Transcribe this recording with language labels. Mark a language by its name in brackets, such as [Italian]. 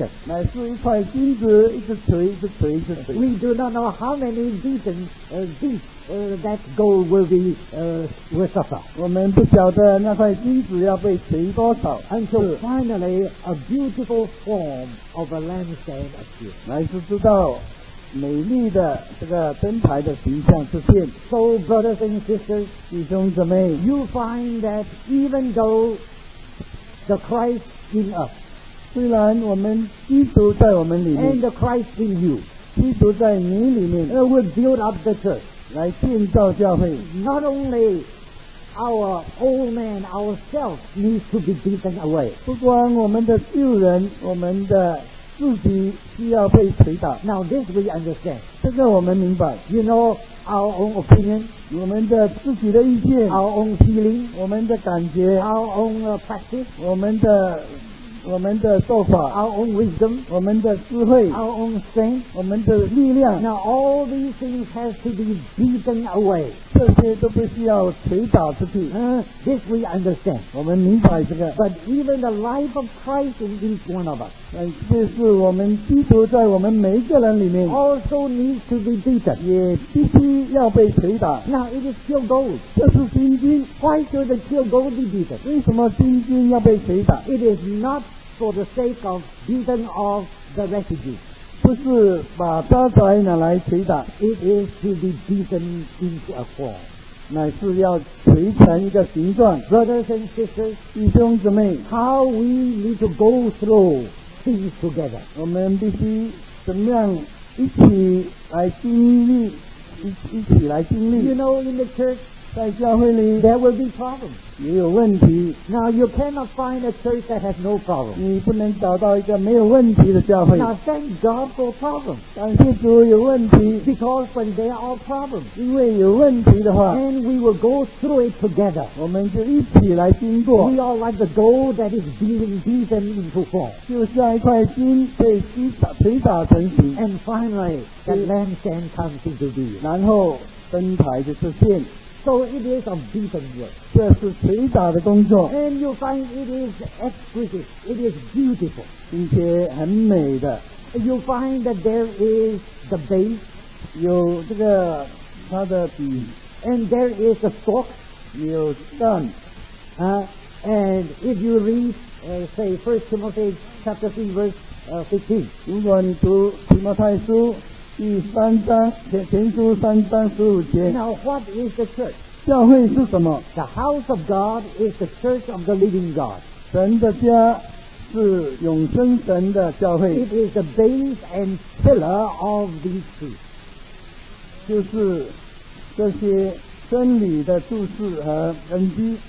[Chinese] 乃是一块金子，一直锤，一直锤，一直锤。 [English] We do not know how many beaten, that gold will be, will suffer. [Chinese] 我们不晓得那块金子要被锤多少。 [English] Until finally, a beautiful form of a lampstand appears. [Chinese] 乃是知道美丽的这个灯台的形象出现。 [English] So brothers and sisters, [Chinese] 弟兄姊妹， [English] you find that even though the Christ in us, [Chinese] 虽然我们基督在我们里面， [English] and the Christ in you, [Chinese] 基督在你里面， [English] will build up the church, [Chinese] 来建造教会。 [English] Not only our old man, ourselves needs to be beaten away, [Chinese] 不光我们的旧人，我们的自己需要被捶打。 [English] Now this we understand, [Chinese] 这个我们明白。 [English] You know our own opinion, [Chinese] 我们的自己的意见。 [English] Our own feeling, [Chinese] 我们的感觉。 [English] Our own practice, [Chinese] 我们的我们的做法 [English] our own wisdom, [Chinese] 我们的智慧 [English] our own strength, [Chinese] 我们的力量 [English] now all these things have to be beaten away, [Chinese] 这些都不需要捶打出去 [English] this we understand, [Chinese] 我们明白这个 [English] but even the life of Christ in each one of us, [Chinese] 这是我们基督在我们每一个人里面 [English] also needs to be beaten, [Chinese] 也必须要被捶打 [English] now it is still gold, [Chinese] 这是金金 [English] why should the still gold be beaten, [Chinese] 为什么金金要被捶打 [English] it is notfor the sake of beating off the refugees. [Chinese] 不是把渣滓拿来捶打 [English] It is to be beaten into a form. [Chinese] 乃是要捶成一个形状 [English] Brothers and sisters, [Chinese] 弟兄姊妹 [English] how we need to go through things together. [Chinese] 我们必须怎么样一起来经历 一起来经历 [English] You know, in the church, [Chinese] 在教会里 [English] there will be problems [Chinese] 也有问题 [English] now you cannot find a church that has no problem [Chinese] 你不能找到一个没有问题的教会 [English] now thank God for problems [Chinese] 感谢主有问题 [English] because when there are problems [Chinese] 因为有问题的话 [English] then we will go through it together [Chinese] 我们就一起来经过 [English] we are like the gold that is being beaten into form [Chinese] 就像一块金被击打捶打成形 [English] and finally the lampstand comes into view [Chinese] 然后灯台就出现 [English] So it is a beaten work. [Chinese] 这是捶打的工作。 [English] And you find it is exquisite. It is beautiful. [Chinese] 并且很美的。 [English] You find that there is the base. [Chinese] 有这个它的底。 [English] And there is a stalk. [Chinese] 有杆。 [English] And if you read, say, 1 Timothy chapter 3 verse 15. [Chinese] 如果你读提摩太书第三章前书三章十五节 [English] Now what is the church? [Chinese] 教会是什么 [English] The house of God is the church of the living God [Chinese] 神的家是永生神的教会 [English] It is the base and pillar of these truths [Chinese] 就是这些真理的注释和根基